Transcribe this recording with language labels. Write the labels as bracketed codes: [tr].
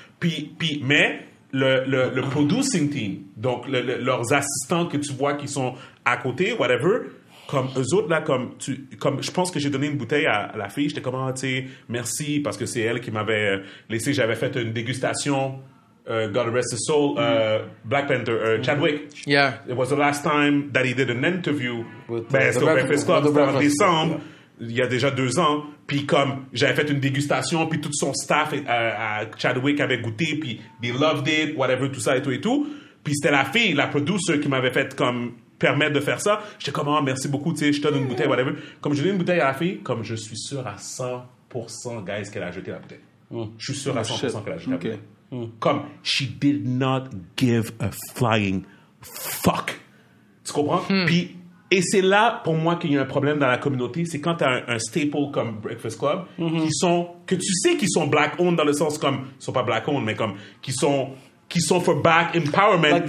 [fr] Puis, mais le producing team, donc leurs assistants que tu vois qui sont à côté, whatever... Comme eux autres, là, comme je pense que j'ai donné une bouteille à la fille, j'étais comme, ah, tu sais, merci, parce que c'est elle qui m'avait laissé, j'avais fait une dégustation, [en] God rest his soul, [fr] Black Panther, Chadwick. [en] Yeah. It was the last time that he did an interview. [fr] C'était en décembre, il y a déjà 2 ans, puis comme j'avais fait une dégustation, puis tout son staff à Chadwick avait goûté, puis [en] they loved it, [fr] whatever, tout ça et tout. Puis c'était la fille, la producer, qui m'avait fait comme. Permettre de faire ça. J'étais comme, oh, merci beaucoup, tu sais, je te donne une bouteille, whatever. Comme je donne une bouteille à la fille, comme je suis sûr à 100%, guys, qu'elle a jeté la bouteille. Je suis sûr à 100% qu'elle a jeté la bouteille. [en] Comme, she did not give a flying fuck. [fr] Tu comprends? Puis, et c'est là, pour moi, qu'il y a un problème dans la communauté, c'est quand t'as un staple comme Breakfast Club, qui sont, que tu sais qu'ils sont black-owned dans le sens comme, ils sont pas black-owned, mais comme, qui sont [en] for black empowerment,